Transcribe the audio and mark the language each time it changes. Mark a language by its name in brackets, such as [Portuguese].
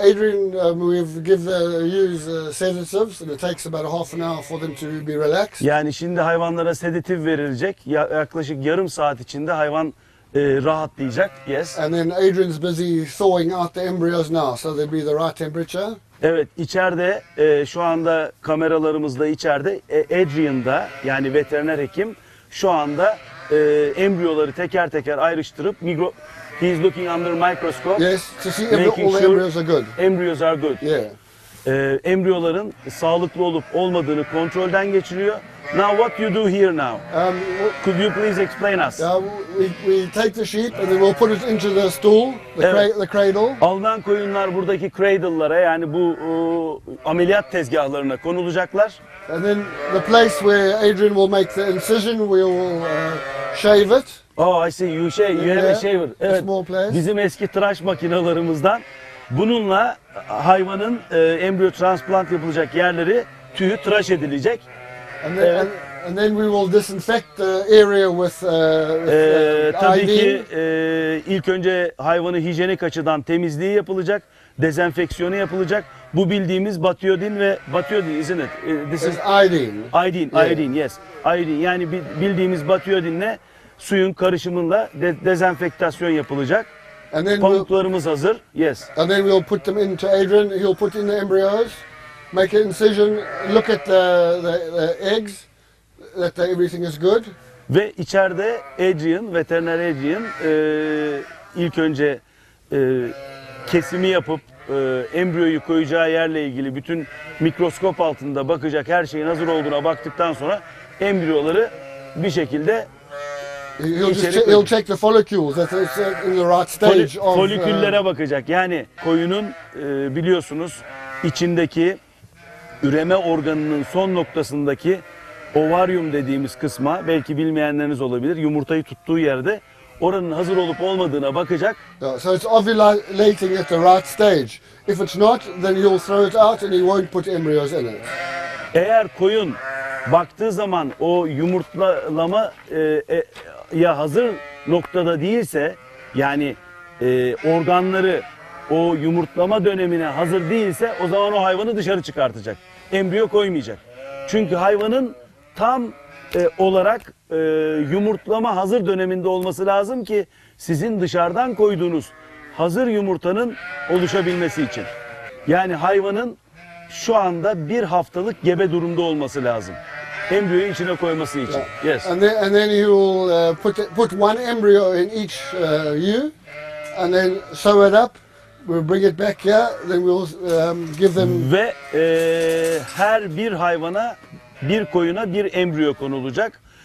[English] Adrian, we've given use sedatives, and it takes about half an hour for them to be relaxed. [Turkish] Yani şimdi hayvanlara sedatif verilecek. Yaklaşık yarım saat içinde hayvan rahatlayacak. Yes. [English] And then Adrian's busy thawing out the embryos now, so they'll be the right temperature. [Turkish] Evet, içeride şu anda kameralarımızda içeride Adrian'da, yani veteriner hekim şu anda embriyoları teker teker ayrıştırıp [English] he's looking under microscope. Yes, to see making all sure embryos are good. Embryos are good. Yeah. [Turkish] Embriyoların sağlıklı olup olmadığını kontrolden geçiriyor. [English] Now what you do here now? Could you please explain us? We take the sheep and then we'll put it into the stool, the cradle. [Turkish] Alınan koyunlar buradaki cradle'lara, yani bu ameliyat tezgahlarına konulacaklar. [English] And then the place where Adrian will make the incision, we will shave it. Oh, I see. You have a shaver. Evet. A small place. [Turkish] Bizim eski tıraş makinalarımızdan. Bununla hayvanın embriyo transplant yapılacak yerleri, tüyü tıraş edilecek. [English] And then, evet. And then we will disinfect the area with [Turkish] tabii ki ilk önce hayvanı hijyenik açıdan temizliği yapılacak, dezenfeksiyonu yapılacak. Bu bildiğimiz batiyodin ve batiyodin, [English] isn't it? This is iodine. Iodine, yes. [Turkish] Iodine, yani bildiğimiz batiyodinle suyun karışımıyla dezenfektasyon yapılacak. Pamuklarımız hazır. Yes. [English] And then we'll put them into Adrian. He'll put in the embryos. Make an incision, look at the eggs, that everything is good. [Turkish] Ve içeride Adrian, veteriner Adrian, ilk önce kesimi yapıp embriyoyu koyacağı yerle ilgili bütün mikroskop altında bakacak, her şeyin hazır olduğuna baktıktan sonra embriyoları bir şekilde [English] he'll check the follicles that it's in the right stage. [Turkish] Foliküllere bakacak. Yani koyunun biliyorsunuz içindeki üreme organının son noktasındaki ovaryum dediğimiz kısma, belki bilmeyenleriniz olabilir, yumurtayı tuttuğu yerde, oranın hazır olup olmadığına bakacak. [English] So it's ovulating at the right stage. If it's not, then you'll throw it out and you won't put embryos in it. [Turkish] Eğer koyun baktığı zaman o yumurtlama ya hazır noktada değilse, yani organları o yumurtlama dönemine hazır değilse, o zaman o hayvanı dışarı çıkartacak. Embriyo koymayacak. Çünkü hayvanın tam olarak yumurtlama hazır döneminde olması lazım ki sizin dışarıdan koyduğunuz hazır yumurtanın oluşabilmesi için. Yani hayvanın şu anda bir haftalık gebe durumda olması lazım. Embriyoyu içine koyması için. Yes. [English] And then you will put one embryo in each you and then sew it up. We'll bring it back here, then we'll give them. [Turkish] Ve her bir hayvana, bir koyuna bir embriyo konulacak.